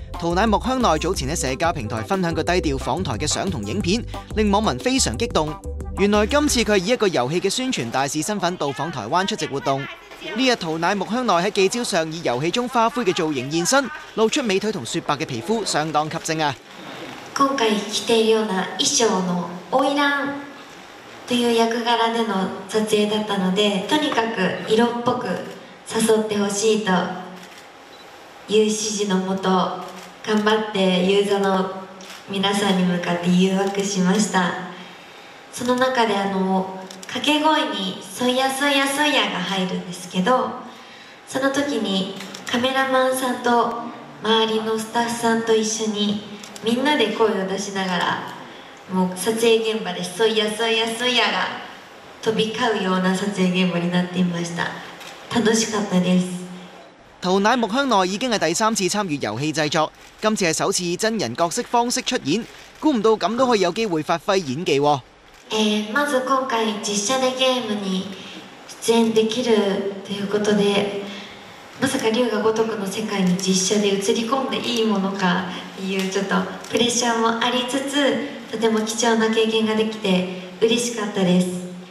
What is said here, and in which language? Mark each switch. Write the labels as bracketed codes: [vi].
[yue] 桃乃木香奈早前喺社交平台分享个低调访台嘅相同影片，令网民非常激动。原来今次佢以一个游戏嘅宣传大使身份到访台湾出席活动。呢日桃乃木香奈喺记招上以游戏中花灰嘅造型现身，露出美腿同雪白嘅皮肤，相当吸睛啊！ [ja] 今回着ているような衣装の花魁。という役柄での撮影だったので、とにかく色っぽく誘ってほしいという指示のもと、頑張ってユーザーの皆さんに向かって誘惑しました。その中で掛け声にソイヤソイヤソイヤが入るんですけど、その時にカメラマンさんと周りのスタッフさんと一緒にみんなで声を出しながら、もう撮影現場でそいやそいやそいやが飛び交うような撮影現場になっていました。楽しかったです。 [yue] 桃乃木香奈已经是第三次参与游戏制作，今次是首次以真人角色方式出演，估唔到咁都可以有机会发挥演技。 [ja] まず今回実写でゲームに出演できるということで、まさか龍が如くの世界に実写で映り込んでいいものかというちょっとプレッシャーもありつつ。とても貴重な経験ができて嬉しかったです。